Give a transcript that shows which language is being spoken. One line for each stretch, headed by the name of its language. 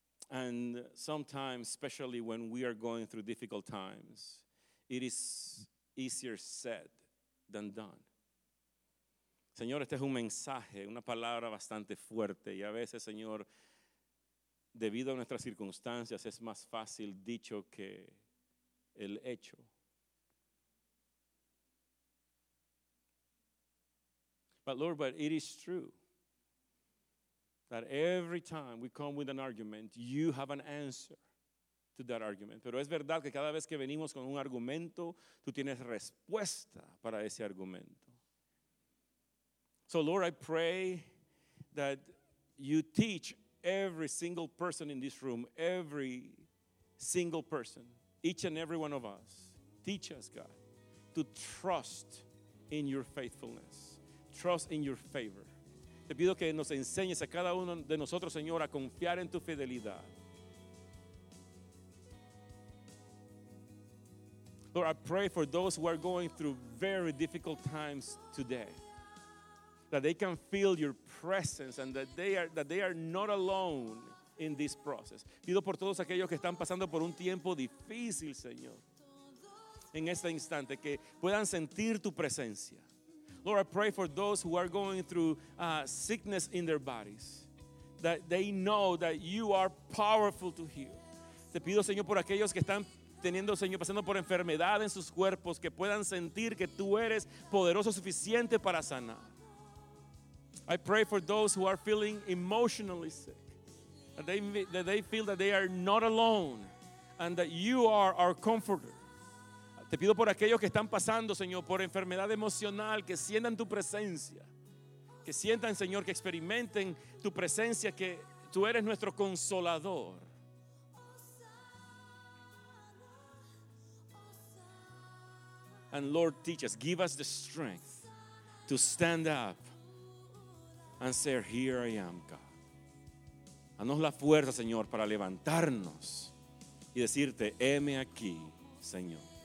English: And sometimes, especially when we are going through difficult times, it is easier said than done.
Spanish: Señor, este es un mensaje, una palabra bastante fuerte. Y a veces, Señor, debido a nuestras circunstancias, es más fácil dicho que el hecho.
English: But it is true. That every time we come with an argument, you have an answer to that argument.
Spanish: Pero es verdad que cada vez que venimos con un argumento, tú tienes respuesta para ese argumento.
English: So Lord, I pray that you teach every single person in this room, every single person, each and every one of us, teach us, God, to trust in your faithfulness, trust in your favor.
Spanish: Te pido que nos enseñes a cada uno de nosotros, Señor, a confiar en tu fidelidad.
English: Lord, I pray for those who are going through very difficult times today, that they can feel your presence and that they are not alone in this process.
Spanish: Pido por todos aquellos que están pasando por un tiempo difícil, Señor, en este instante, que puedan sentir tu presencia.
English: Lord, I pray for those who are going through sickness in their bodies, that they know that you are powerful to heal.
Spanish: Te pido, Señor, por aquellos que están teniendo, Señor, pasando por enfermedad en sus cuerpos, que puedan sentir que tú eres poderoso suficiente para sanar.
English: I pray for those who are feeling emotionally sick, that they feel that they are not alone and that you are our comforter.
Spanish: Te pido por aquellos que están pasando, Señor, por enfermedad emocional, que sientan tu presencia, que sientan, Señor, que experimenten tu presencia, que tú eres nuestro consolador.
English: And Lord, teach us, give us the strength to stand up and say, here I am, God.
Spanish: Danos la fuerza, Señor, para levantarnos y decirte, heme aquí, Señor.